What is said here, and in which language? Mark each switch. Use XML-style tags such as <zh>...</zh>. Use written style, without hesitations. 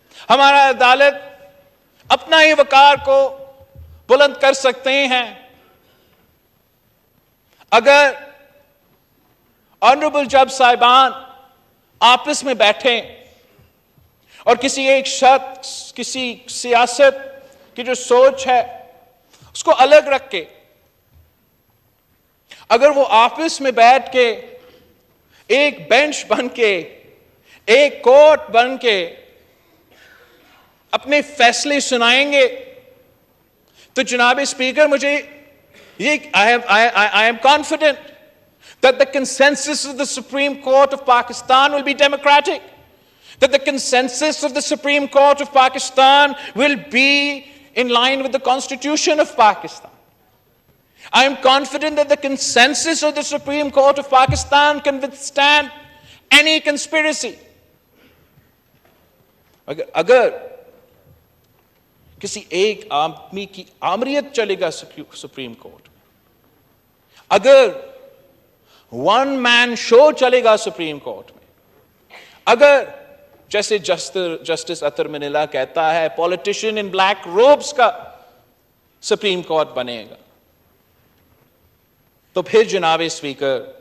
<ur>ہمارا عدالت اپنا ہی وقار کو بلند کر سکتے ہیں اگر آنریبل جج صاحبان آپس میں بیٹھیں اور کسی ایک شخص, کسی سیاست کی جو سوچ ہے اس کو الگ رکھ کے, اگر وہ آپس میں بیٹھ کے ایک بینچ بن کے, ایک کورٹ بن کے, اپنے فیصلے سنائیں گے. تو جناب اسپیکر مجھے</ur> <en>I am confident that the consensus of the Supreme Court of Pakistan will be democratic, that the consensus of the Supreme Court of Pakistan will be in line with the Constitution of Pakistan. I am confident that the consensus of the Supreme Court of Pakistan can withstand any conspiracy.</en> <ur>اگر کسی ایک آدمی کی آمریت چلے گا supreme court, اگر one مین شو چلے گا supreme court میں, اگر جیسے جسٹس اتر منیلا کہتا ہے پولیٹیشین ان بلیک روبس کا سپریم کورٹ بنے گا, تو پھر جناب اسپیکر</ur>